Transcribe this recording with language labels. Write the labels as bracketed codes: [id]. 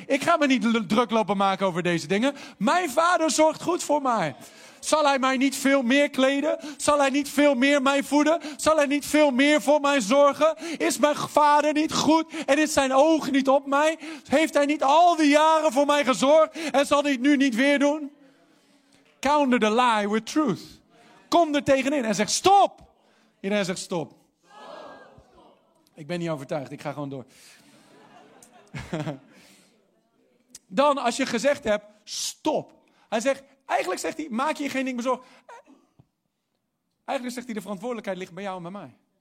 [nl] Ik ga me niet druk lopen maken over deze dingen. Mijn vader zorgt goed voor mij. Zal hij mij niet veel meer kleden? Zal hij niet veel meer mij voeden? Zal hij niet veel meer voor mij zorgen? Is mijn vader niet goed? En is zijn oog niet op mij? Heeft hij niet al die jaren voor mij gezorgd? En zal hij het nu niet weer doen? [en] Counter the lie with truth. [nl] Kom er tegenin en zeg stop. Iedereen zegt stop. Ik ben niet overtuigd, ik ga gewoon door. Dan als je gezegd hebt, stop. Hij zegt... Eigenlijk zegt hij, maak je geen ding meer zorgen. Eigenlijk zegt hij, de verantwoordelijkheid ligt bij jou en bij mij.